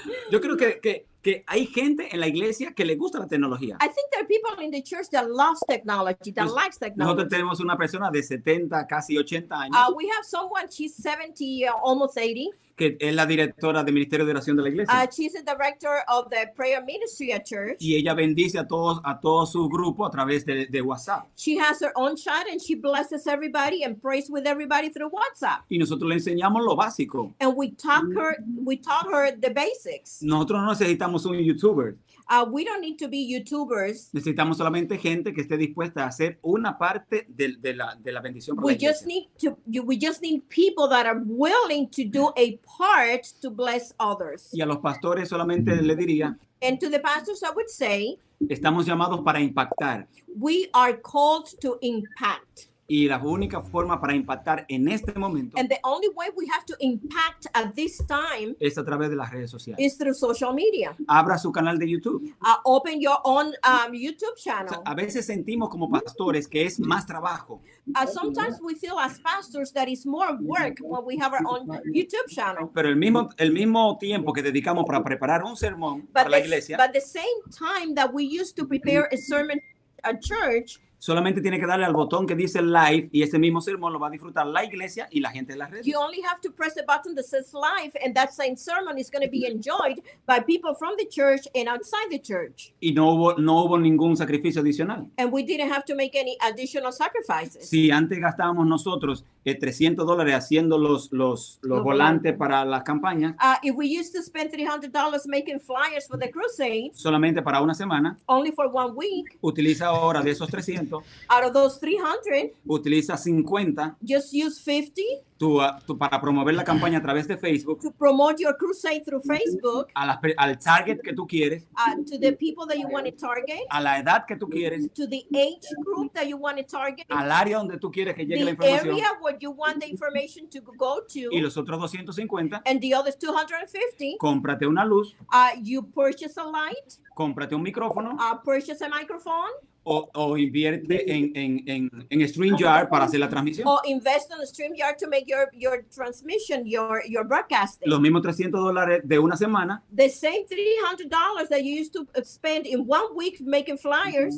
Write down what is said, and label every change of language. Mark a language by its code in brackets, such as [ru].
[es] Yo creo que hay gente en la iglesia que le gusta la tecnología. [en] I think there are people in the church that loves technology, that likes technology. [es] Nosotros tenemos una persona de 70, casi 80 años. [en] We have someone, she's 70, almost 80. [es] Que es la directora del Ministerio de Oración de la Iglesia. [en] She's the director of the prayer ministry at church. [es] Y ella bendice a todos su grupo a través de WhatsApp. [en] She has her own chat and she blesses everybody and prays with everybody through WhatsApp. [es] Y nosotros le enseñamos lo básico. [en] And we taught her the basics. [es] Nosotros no necesitamos un YouTuber. [en] We don't need to be YouTubers. [es] Necesitamos solamente gente que esté dispuesta a hacer una parte de la bendición. [en] We just need people that are willing to do a part to bless others. [es] Y a los pastores solamente le diría. [en] And to the pastors, I would say. [es] Estamos llamados para impactar. [en] We are called to impact. [es] Y la única forma para impactar en este momento. [en] And the only way we have to impact at this time. [es] Es a través de las redes sociales. [en] Is through social media. [es] Abra su canal de YouTube. [en] Open your own YouTube channel. [es] O sea, a veces sentimos como pastores que es más trabajo. [en] Sometimes we feel as pastors that it's more work when we have our own YouTube channel. [es] Pero el mismo tiempo que dedicamos para preparar un sermón para la iglesia. [en] But the same time that we used to prepare a sermon at church. [es] Solamente tiene que darle al botón que dice live y ese mismo sermón lo va a disfrutar la iglesia y la gente de las redes. [en] You only have to press the button that says live and that same sermon is going to be enjoyed by people from the church and outside the church. [es] Y no hubo ningún sacrificio adicional. [en] And we didn't have to make any additional sacrifices. [es] Si antes gastábamos nosotros $300 haciendo los volantes para las campañas. [en] If we used to spend $300 making flyers for the crusades. [es] Solamente para una semana. [en] Only for 1 week. [es] Utiliza ahora de esos 300. [en] Out of those 300, [es] utiliza 50. [en] Just use 50. [es] Tú para promover la campaña a través de Facebook. [en] To promote your crusade through Facebook. [es] Al target que tú quieres. [en] To the people that you want to target. [es] A la edad que tú quieres. [en] To the age group that you want to target. [es] Al área donde tú quieres que llegue la información. [en] The area where you want the information to go to. [es] Y los otros 250. [en] And the others 250. [es] Cómprate una luz. [en] You purchase a light. [es] Cómprate un micrófono. [en] Purchase a microphone. [es] O invierte en StreamYard para hacer la transmisión. [en] O invest in StreamYard to make your transmission, your broadcasting. [es] Los mismos $300 de una semana. [en] The same $300 that you used to spend in 1 week making flyers.